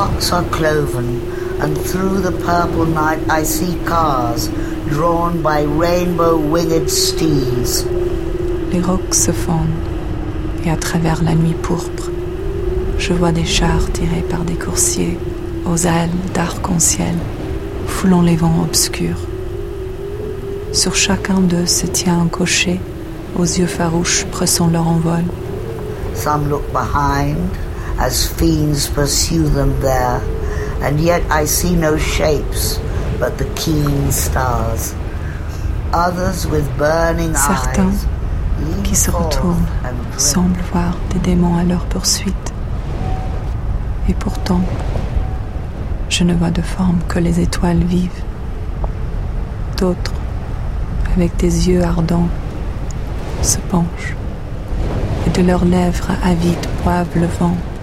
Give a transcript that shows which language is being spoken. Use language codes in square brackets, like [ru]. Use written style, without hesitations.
[en] Are cloven, and through the purple night I see cars drawn by rainbow winged steeds. [fr] Les rocs se fondent, et à travers la nuit pourpre, je vois des chars tirés par des coursiers aux ailes d'arc-en-ciel, foulant les vents obscurs. Sur chacun d'eux se tient un cocher, aux yeux farouches pressant leur envol. [en] Some look behind, as fiends pursue them there, and yet I see no shapes but the keen stars. Others with burning eyes. [fr] Certains qui se retournent semblent voir des démons à leur poursuite. Et pourtant, je ne vois de forme que les étoiles vives. D'autres, avec des yeux ardents, se penchent, et de leurs lèvres avides boivent le vent.